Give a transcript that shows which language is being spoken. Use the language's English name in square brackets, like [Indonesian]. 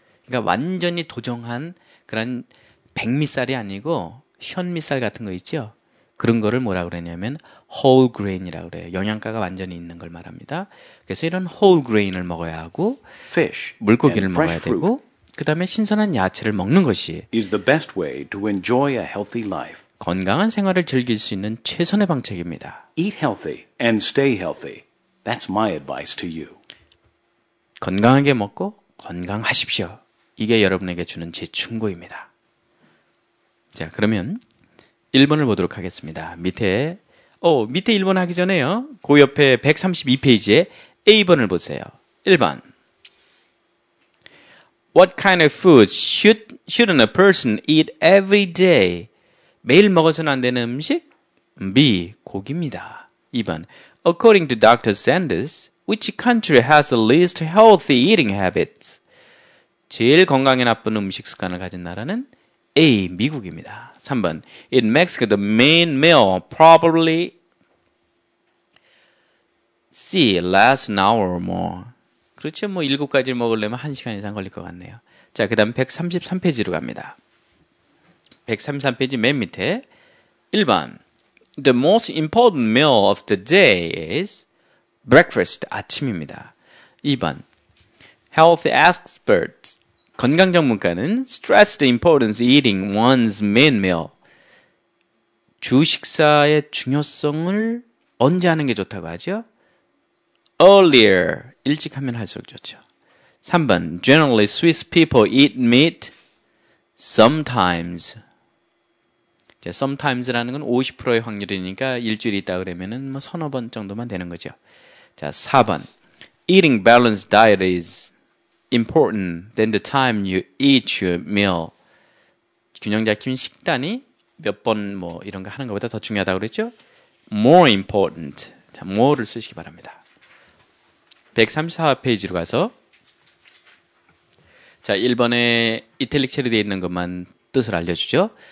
[Korean] 그러니까 완전히 도정한 그런 백미쌀이 아니고 현미쌀 같은 거 있죠? 그런 거를 뭐라 그러냐면 whole grain이라고 그래요. 영양가가 완전히 있는 걸 말합니다. 그래서 이런 whole grain을 먹어야 하고 [English] fish [Korean] 물고기를 먹어야 되고 그다음에 신선한 야채를 먹는 것이 [English] is the best way to enjoy a healthy life. [Korean] 건강한 생활을 즐길 수 있는 최선의 방책입니다. [English] Eat healthy and stay healthy. That's my advice to you. [Korean] 건강하게 먹고 건강하십시오. 이게 여러분에게 주는 제 충고입니다. 자, 그러면 1번을 보도록 하겠습니다. 밑에 1번 하기 전에요. 그 옆에 132페이지에 A번을 보세요. 1번. [English] What kind of food shouldn't a person eat every day? [Korean] 매일 먹어서는 안 되는 음식? B. 고기입니다. 2번. [English] According to Dr. Sanders, which country has the least healthy eating habits? [Korean] 제일 건강에 나쁜 음식 습관을 가진 나라는 A. 미국입니다. 3번. [English] In Mexico, the main meal probably C. lasts an hour or more. [Korean] 그렇죠. 뭐 7가지 먹으려면 1시간 이상 걸릴 것 같네요. 자, 그 다음 133페이지로 갑니다. 133페이지 맨 밑에 1번 [English] The most important meal of the day is breakfast, [Korean] 아침입니다. [English] 2번 Health experts, [Korean] 건강 전문가는 [English] stress the importance of eating one's main meal. [Korean] 주식사의 중요성을 언제 하는 게 좋다고 하죠? Earlier, 일찍 하면 할수록 좋죠. [English] 3번 Generally, Swiss people eat meat sometimes. [Korean] Sometimes라는 건 50%의 확률이니까 일주일 있다 그러면은 뭐 서너 번 정도만 되는 거죠. 자, 4번. [English] Eating balanced diet is important than the time you eat your meal. [Korean] 균형 잡힌 식단이 몇 번 뭐 이런 거 하는 것보다 더 중요하다고 그랬죠? [English] More important. [Korean] 자, more를 쓰시기 바랍니다. 134페이지로 가서 자, 1번에 이탈릭체로 되어 있는 것만 뜻을 알려주죠.